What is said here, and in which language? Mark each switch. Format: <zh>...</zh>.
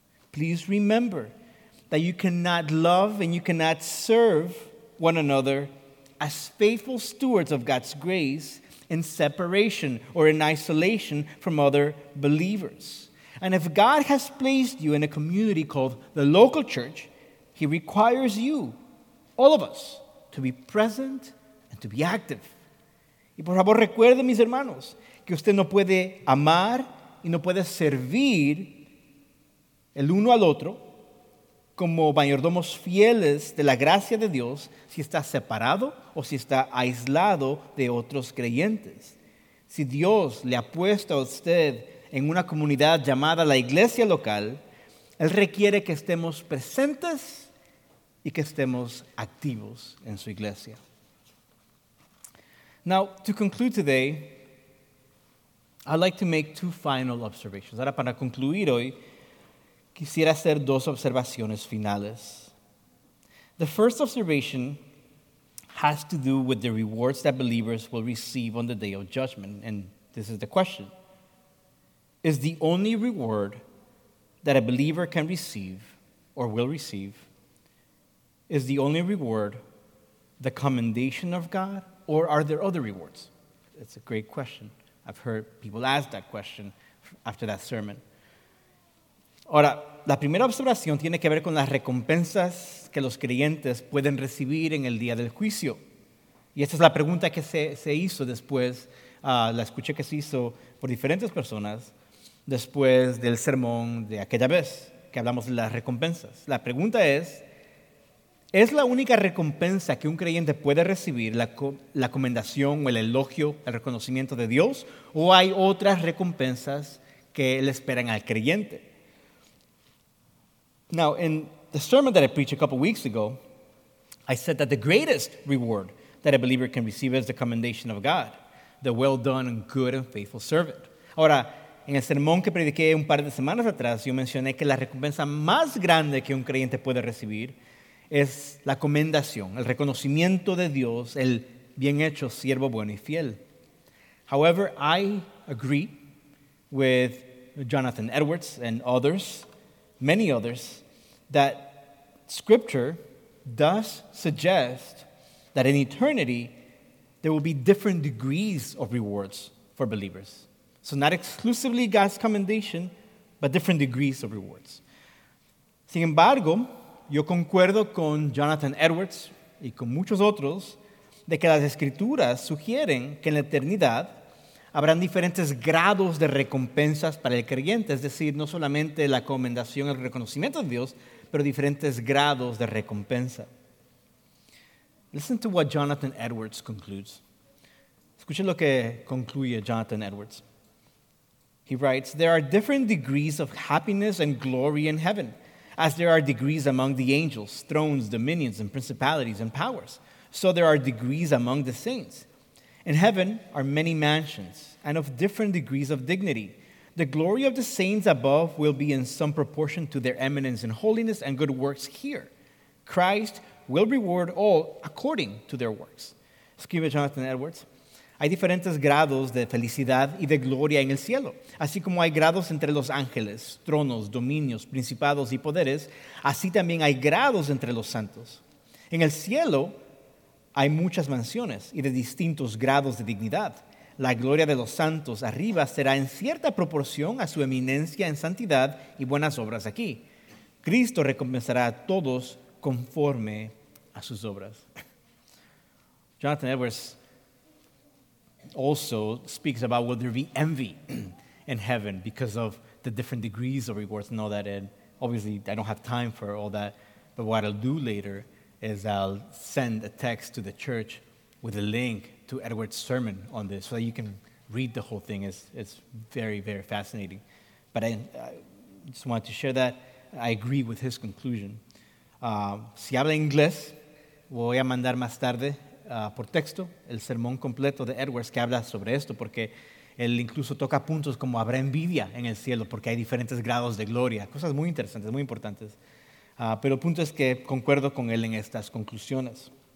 <en>Please remember that you cannot love and you cannot serve one another as faithful stewards of God's grace in separation or in isolation from other believers. And if God has placed you in a community called the local church, He requires you, all of us, to be present and to be active.</en> <es>Y por favor recuerden, mis hermanos, que usted no puede amar y no puede servir el uno al otro como mayordomos fieles de la gracia de Dios si está separado o si está aislado de otros creyentes. Si Dios le ha puesto a usted en una comunidad llamada la iglesia local, Él requiere que estemos presentes y que estemos activos en su iglesia.</es> <en>Now, to conclude today, I'd like to make two final observations.</en> <es>Ahora, para concluir hoy, quisiera hacer dos observaciones finales.</es> <en>The first observation has to do with the rewards that believers will receive on the day of judgment. And this is the question. Is the only reward that a believer can receive or will receive, is the only reward the commendation of God, or are there other rewards? It's a great question. I've heard people ask that question after that sermon.</en> <es>Ahora, la primera observación tiene que ver con las recompensas que los creyentes pueden recibir en el día del juicio. Y esta es la pregunta que se hizo después, la escuché que se hizo por diferentes personas después del sermón de aquella vez que hablamos de las recompensas. La pregunta es, ¿es la única recompensa que un creyente puede recibir la comendación o el elogio, el reconocimiento de Dios? ¿O hay otras recompensas que le esperan al creyente?</es> <en>Now, in the sermon that I preached a couple weeks ago, I said that the greatest reward that a believer can receive is the commendation of God, the well done and good and faithful servant.</en> <es>Ahora, en el sermón que prediqué un par de semanas atrás, yo mencioné que la recompensa más grande que un creyente puede recibir es la comendación, el reconocimiento de Dios, el bien hecho, siervo bueno y fiel.</es> <en>However, I agree with Jonathan Edwards and others, many others, that Scripture does suggest that in eternity there will be different degrees of rewards for believers. So not exclusively God's commendation, but different degrees of rewards.</en> <es>Sin embargo, yo concuerdo con Jonathan Edwards y con muchos otros de que las Escrituras sugieren que en la eternidad habrán diferentes grados de recompensas para el creyente, es decir, no solamente la comendación, el reconocimiento de Dios, pero diferentes grados de recompensa.</es> <en>Listen to what Jonathan Edwards concludes.</en> <es>Escuchen lo que concluye Jonathan Edwards.</es> <en>He writes, "There are different degrees of happiness and glory in heaven, as there are degrees among the angels, thrones, dominions, and principalities and powers. So there are degrees among the saints. In heaven are many mansions and of different degrees of dignity. The glory of the saints above will be in some proportion to their eminence in holiness and good works here. Christ will reward all according to their works."</en> <es>Escribe Jonathan Edwards. Hay diferentes grados de felicidad y de gloria en el cielo. Así como hay grados entre los ángeles, tronos, dominios, principados y poderes, así también hay grados entre los santos. En el cielo hay muchas mansiones y de distintos grados de dignidad. La gloria de los santos arriba será en cierta proporción a su eminencia en santidad y buenas obras aquí. Cristo recompensará a todos conforme a sus obras.</es> <en>Jonathan Edwards also speaks about, will there be envy in heaven because of the different degrees of rewards and all that. And obviously, I don't have time for all that, but what I'll do later is I'll send a text to the church with a link to Edward's sermon on this so that you can read the whole thing. It's very, very fascinating. But I just wanted to share that. I agree with his conclusion.</en> <es>Si habla inglés, voy a mandar más tarde por texto el sermón completo de Edwards que habla sobre esto, porque él incluso toca puntos como habrá envidia en el cielo porque hay diferentes grados de gloria. Cosas muy interesantes, muy importantes. Pero el punto es que concuerdo con él en estas conclusiones.</es>